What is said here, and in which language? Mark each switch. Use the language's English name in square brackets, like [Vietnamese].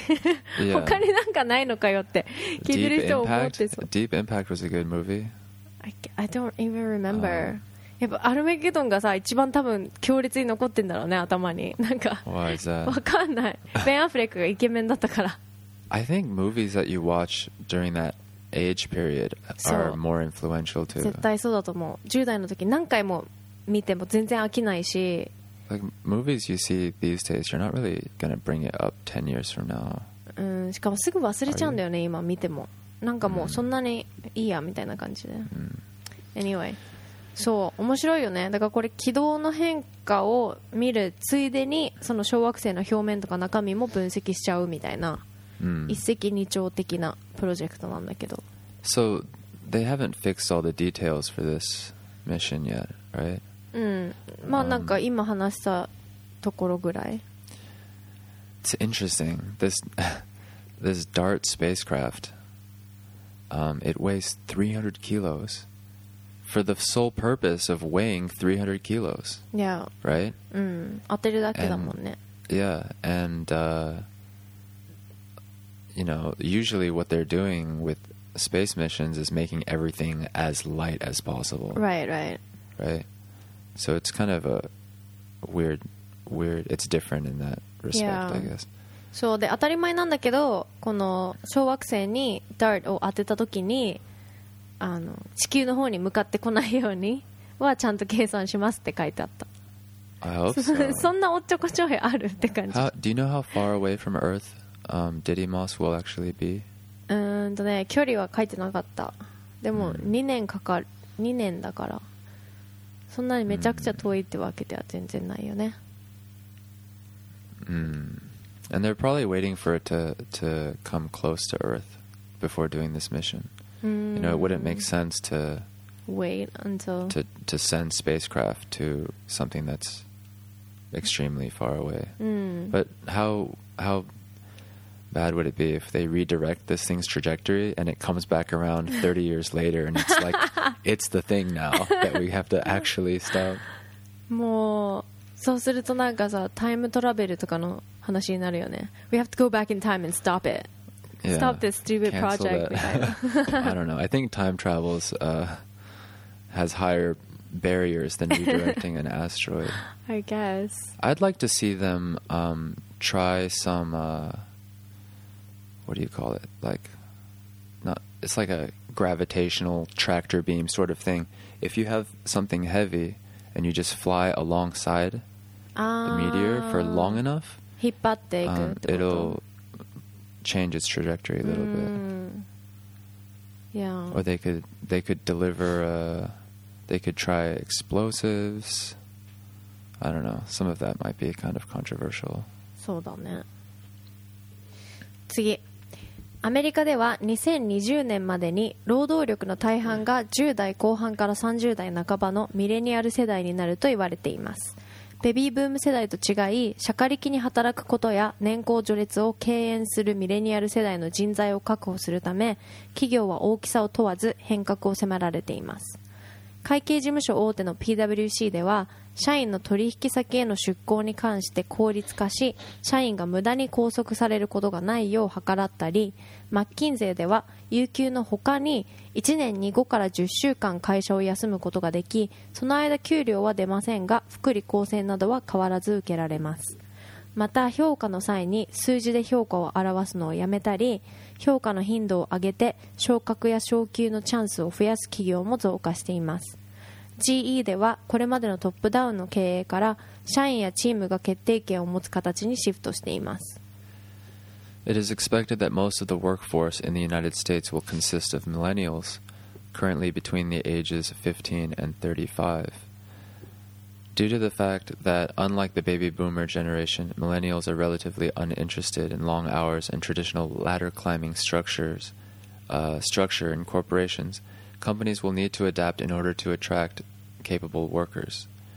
[English] Yeah. [Japanese] 他になんかないのかよって聞いてる人思ってそう。 [English] Deep Impact was a good movie. I don't even remember. [Japanese] やっぱアルマゲドンがさ一番多分強烈に残ってんだろうね、頭に。なんか [English] Why is that? [Japanese] わかんない、ベンアフレックがイケメンだったから。 [English] I think movies that you watch during that age period are more influential too. [Japanese] 絶対そうだと思う。10代の時何回も見ても全然飽きないし、 [English] Like movies you see these days, you're not really gonna bring it up 10 years from now. [Japanese] しかもすぐ忘れちゃうんだよね、今見てもなんかもうそんなにいいやみたいな感じで、 mm. [English] Anyway、 [Japanese] そう、面白いよね。だからこれ軌道の変化を見るついでに、その小惑星の表面とか中身も分析しちゃうみたいな、一石二鳥的なプロジェクトなんだけど。 [English] So they haven't fixed all the details for this mission yet, right? [Japanese] まあなんか今話したところぐらい。 [English] It's interesting. This DART spacecraft, it weighs 300 kilos. For the sole purpose of weighing 300 kilos. Yeah. Right? [Japanese] 当てるだけだもんね。 [English] Yeah. And, you know, usually what they're doing with space missions is making everything as light as possible. Right, right. Right? So it's kind of a weird, it's different in that respect, yeah. I guess. [Japanese] そうで、当たり前なんだけど、この小惑星に DART を当てた時に、あの地球の方に向かってこないようにはちゃんと計算しますって書いてあった。 [English] I hope so. [Japanese] そんなおっちょこちょいあるって感じ。 [English] Do you know how far away from Earth Didymos will actually be? [Japanese] ね、距離は書いてなかった。でも2年かかる、2年だからそんなにめちゃくちゃ遠いってわけでは全然ないよね。 [English] And they're probably waiting for it to come close to Earth before doing this mission. You know, it wouldn't make sense to wait until to send spacecraft to something that's extremely far away. But how bad would it be if they redirect this thing's trajectory and it comes back around 30 years later and it's like it's the thing now that we have to actually stop? [Japanese] もうそうするとなんかさ、タイムトラベルとかの話になるよね。 [English] We have to go back in time and stop it. Yeah. Stop this stupid project. I don't know. I think time travel has higher barriers than redirecting an asteroid. I guess. I'd like to see them try some, what do you call it? Like, it's like a gravitational tractor beam sort of thing. If you have something heavy and you just fly alongside the meteor for long enough, [Japanese] 引っ張っていくってこと? [English] it'll...、 change its trajectory a little bit. Yeah. Or they could deliver they could try explosives. I don't know. Some of that might be kind of controversial. [Japanese] そうだね。次。アメリカでは2020年までに労働力の大半が10代後半から30代半ばのミレニアル世代になると言われています。ベビーブーム世代と違い、社会的に働くことや年功序列を敬遠するミレニアル世代の人材を確保するため、企業は大きさを問わず変革を迫られています。会計事務所大手の PWC では、社員の取引先への出向に関して効率化し、社員が無駄に拘束されることがないよう計らったり、マッキンゼーでは有給の他に1年に5から10週間会社を休むことができ、その間給料は出ませんが、福利厚生などは変わらず受けられます。また評価の際に数字で評価を表すのをやめたり、評価の頻度を上げて昇格や昇給のチャンスを増やす企業も増加しています。 GE ではこれまでのトップダウンの経営から社員やチームが決定権を持つ形にシフトしています。 [English] It is expected that most of the workforce in the United States will consist of millennials, currently between the ages of 15 and 35. Due to the fact that, unlike the baby boomer generation, millennials are relatively uninterested in long hours and traditional ladder-climbing structure in corporations, companies will need to adapt in order to attract capable workers.